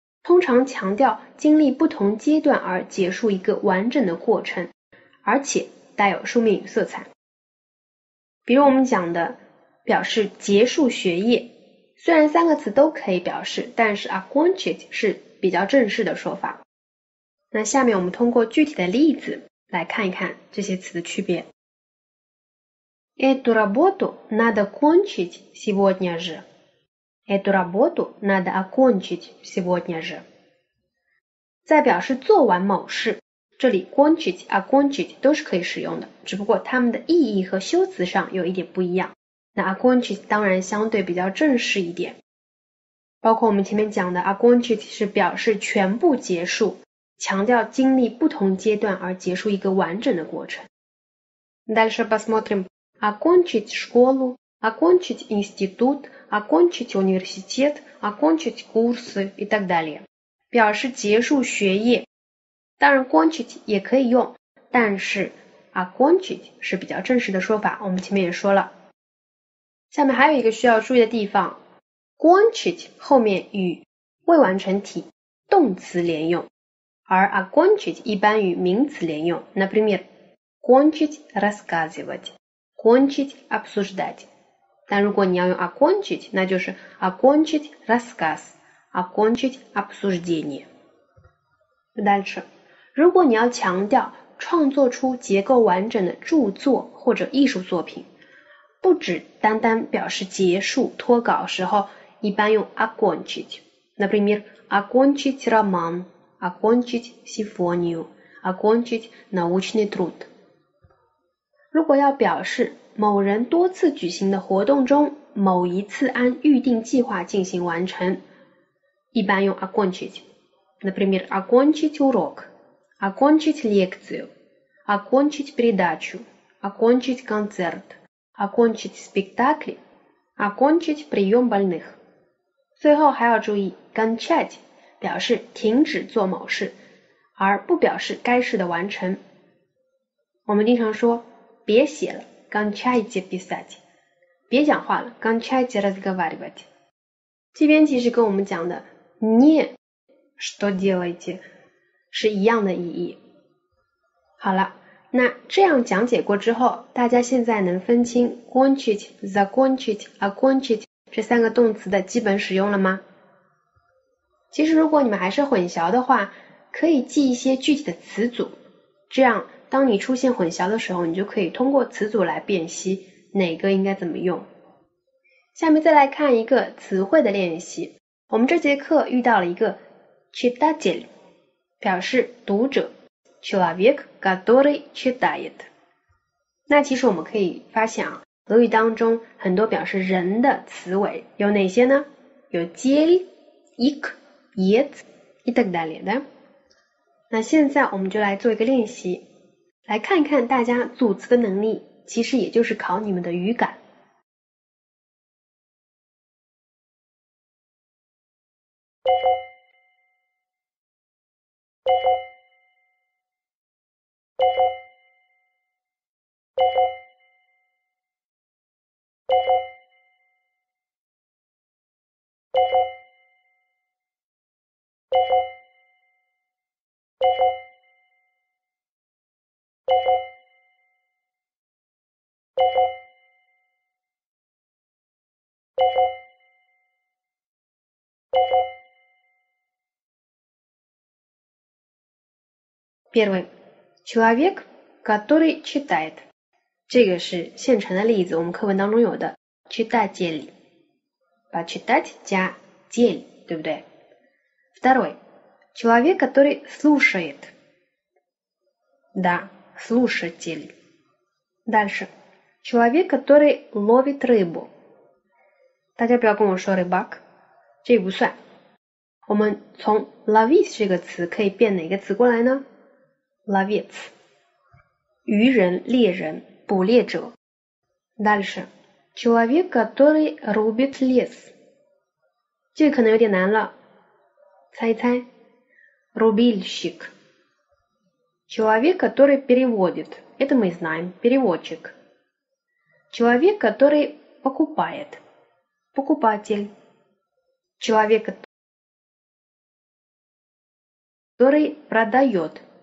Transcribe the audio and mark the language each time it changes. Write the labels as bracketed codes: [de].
[zh] 通常强调经历不同阶段而结束一个完整的过程，而且带有书面语色彩。比如我们讲的表示结束学业，虽然三个词都可以表示，但是 окончить 是比较正式的说法。那下面我们通过具体的例子来看一看这些词的区别。 [ru] Эту работу надо кончить сегодня же. Эту работу надо окончить сегодня же. [zh] 在表示做完某事，这里 кончить, окончить 都是可以使用的，只不过它们的意义和修辞上有一点不一样。那 окончить 当然相对比较正式一点。包括我们前面讲的 окончить 是表示全部结束，强调经历不同阶段而结束一个完整的过程。 [ru] Дальше посмотрим. Окончить школу. Окончить институт, окончить университет, окончить курсы и так далее. [zh] 表示结束学业。当然 кончить 也可以用，但是 окончить 是比较正式的说法，我们前面也说了。下面还有一个需要注意的地方， кончить 后面与未完成体动词连用，而 окончить 一般与名词连用。 [ru] Например, кончить рассказывать, кончить обсуждать. [zh] 但如果你要用 окончить, 那就是 [ru] окончить рассказ, окончить обсуждение. Дальше. [zh] 如果你要强调创作出结构完整的著作或者艺术作品，不只单单表示结束脱稿时候，一般用 окончить. [ru] Например, окончить роман, окончить симфонию, окончить научный труд. [zh] 如果要表示某人多次举行的活动中某一次按预定计划进行完成，一般用 окончить. [ru] Например, окончить урок, окончить лекцию, окончить передачу, окончить концерт, окончить спектакль, окончить прием больных. [zh] 最后还要注意 кончать 表示停止做某事，而不表示该事的完成。我们经常说别写了， [ru] кончайте писать, [zh] 别讲话了, [ru] кончайте разговаривать. [zh] 这边其实跟我们讲的 [ru] не что делаете [zh] 是一样的意义。好了，那这样讲解过之后，大家现在能分清 кончить, закончить, окончить 这三个动词的基本使用了吗？其实如果你们还是混淆的话，可以记一些具体的词组，这样当你出现混淆的时候，你就可以通过词组来辨析哪个应该怎么用。下面再来看一个词汇的练习。我们这节课遇到了一个 читатель, 表示读者 [ru] человек, который читает. [zh] 那其实我们可以发现啊，俄语当中很多表示人的词尾有哪些呢？有 тель, ик, ец, [ru] и так далее [zh] 的。那现在我们就来做一个练习，来看一看大家组词的能力，其实也就是考你们的语感。 [ru] Первый. Человек, который читает. [zh] 这个是现成的例子，我们课文当中有的。 [ru] читатель. Почитать – 加тель, да бдэ? Второй. Человек, который слушает. Да, слушатель. Дальше. Человек, который ловит рыбу. [zh] 大家不要跟我说 рыбак. 这不算. 我们从 ловить 这个词可以变哪个词过来呢? [ru] Ловец. [zh] 渔人, 猎人, 捕猎者. [ru] Дальше. Человек, который рубит лес. [zh] 这可能有点难了。猜一猜。 [ru] Рубильщик. Человек, который переводит. Это мы знаем. Переводчик. Человек, который покупает. Покупатель. Человек, который продает.